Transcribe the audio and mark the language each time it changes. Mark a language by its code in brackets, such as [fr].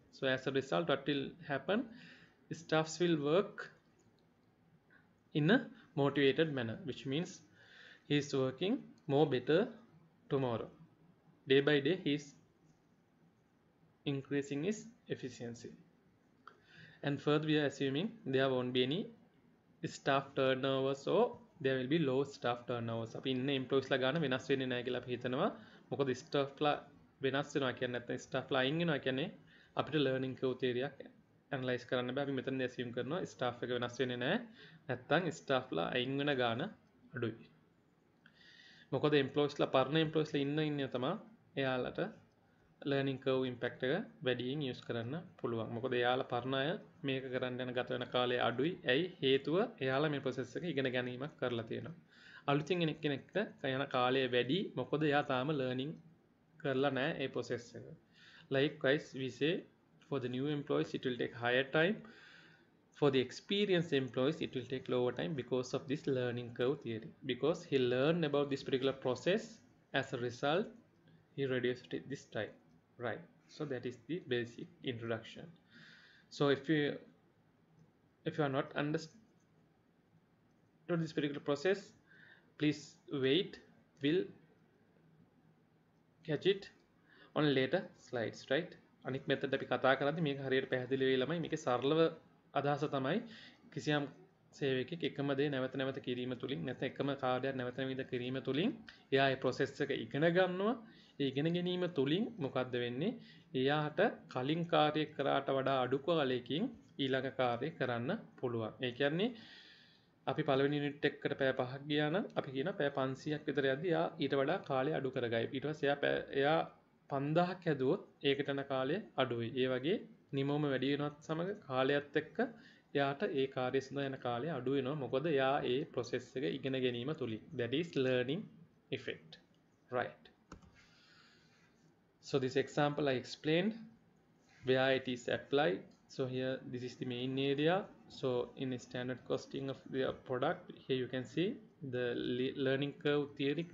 [en] So as a result, what will happen? Staffs will work in a motivated manner, which means he is working more better tomorrow. Day by day, he is increasing his efficiency. And further, we are assuming there won't be any staff turnovers, or there will be low staff turnovers. [si] අපි ඉන්න employees ලා ගන්න වෙනස් වෙන්නේ නැහැ කියලා අපි හිතනවා. මොකද staff ලා වෙනස් වෙනවා කියන්නේ නැත්නම් staff ලා අයින් වෙනවා කියන්නේ අපිට learning curve theory එක analyze කරන්න බෑ. අපි මෙතනදී assume කරනවා staff එක වෙනස් වෙන්නේ නැහැ. නැත්නම් staff ලා අයින් වෙන ගාන අඩුයි. මොකද employees ලා පරණ employees ලා ඉන්නේ තමයි එයාලට learning curve impact එක වැඩියෙන් use කරන්න පුළුවන්. මොකද එයාලා පරණ අය මේක කරන්න යන ගත වෙන කාලය අඩුයි. ඇයි? හේතුව එයාලා මේ process එක ඉගෙන ගැනීමක් කරලා තියෙනවා. අලුතින් කෙනෙක්ට යන කාලය වැඩි. මොකද එයා තාම learning කරලා නැහැ මේ process එක. [en] Likewise we say for the new employees it will take higher time. For the experienced employees it will take lower time because of this learning curve theory. Because he learned about this particular process As a result, he reduced it this time, right? So that is the basic introduction. So if you are not understood this particular process, please wait. We'll catch it on later slides, right? [si] අනික් මෙතන අපි කතා කරද්දී මේක හරියට පැහැදිලි වෙයි ළමයි මේකේ සරලව අදහස තමයි කිසියම් සේවයකක් එකම දේ නැවත නැවත කිරීම තුලින් නැත්නම් එකම කාර්යයක් නැවත නැවත කිරීම තුලින් එයා ඒ process එක ඉගෙන ගන්නවා ඒ ඉගෙන ගැනීම තුලින් මොකද්ද වෙන්නේ එයාට කලින් කාර්ය කරාට වඩා අඩු කාලයකින් ඊළඟ කාර්ය කරන්න පුළුවන් ඒ කියන්නේ අපි පළවෙනි යුනිට් එකකට පැය 5ක් ගියා නම් අපි කියනවා පැය 500ක් විතර යද්දී එයා ඊට වඩා කාලය අඩු කරගයි ඊට පස්සේ එයා 5000ක් හැදුවොත් ඒකට යන කාලය අඩුයි. ඒ වගේ නිමවම වැඩි වෙනවත් සමග කාලයත් එක්ක යාට ඒ කාර්ය සඳහා යන කාලය අඩු වෙනවා. මොකද යා ඒ process එක ඉගෙන ගැනීම තුලින්. [en] That is learning effect. Right. So this example I explained where it is applied. So here this is the main area. So in the standard costing of the product, here you can see the learning curve theory.